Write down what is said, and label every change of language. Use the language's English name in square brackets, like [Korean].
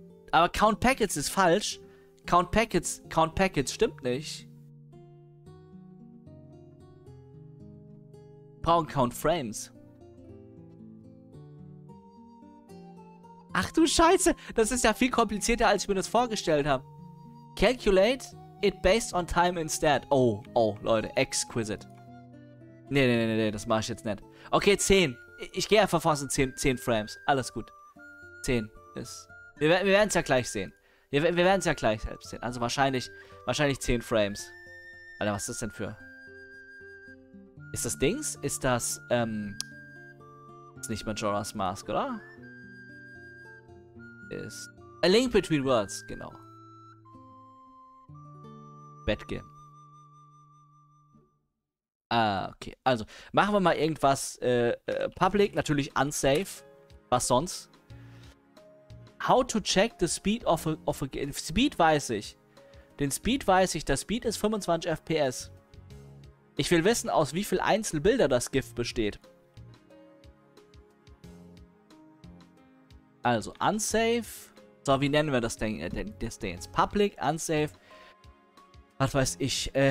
[German] Aber Count Packets ist falsch. Count Packets stimmt nicht. Brauchen Count Frames. Ach du Scheiße, das ist ja viel komplizierter, als ich mir das vorgestellt habe. [English] Calculate it based on time instead. [German] Oh, Leute, exquisite. Nee, das mache ich jetzt nicht. Okay, 10. Ich gehe einfach vor, 10 Frames. Alles gut. 10 ist. Wir werden es ja gleich sehen. Wir werden es ja gleich selbst sehen. Also wahrscheinlich 10 Frames. Alter, was ist das denn für? Ist das Dings? Ist das, ist nicht Majora's Mask, oder? Ist A Link Between Worlds, genau. [English] Bad Game. [German] Ah, okay. Also, machen wir mal irgendwas, public, natürlich unsafe. Was sonst? [English] How to check the speed of a game? [German] Speed weiß ich. Der Speed ist 25 FPS. Ich will wissen, aus wie viel Einzelbilder das GIF besteht. Also, unsafe. So, wie nennen wir das denn jetzt? Public, unsafe. Was weiß ich?